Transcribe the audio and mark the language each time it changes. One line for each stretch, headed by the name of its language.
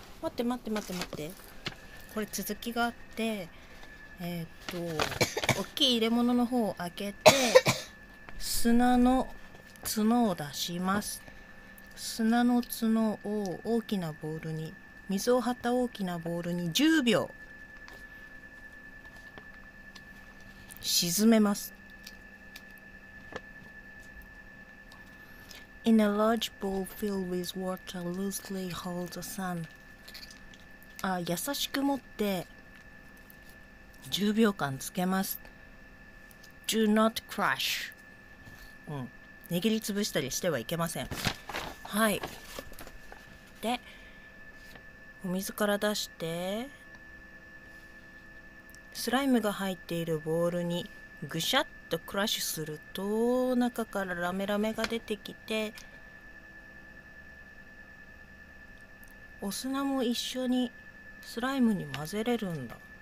Japanese: 待って待って待って待って、これ続きがあって、大きい入れ物の方を開けて砂の角を出します。砂の角を大きなボールに、水を張った大きなボールに10秒沈めます。
English: In a large bowl filled with water, loosely hold the sun.
Japanese: 優しく持って10秒間つけます。
English: Do not crush.
Japanese: 握りつぶしたりしてはいけません。はい。で、お水から出して、スライムが入っているボールにぐしゃっとクラッシュすると、中からラメラメが出てきて、お砂も一緒にスライムに混ぜれるんだ。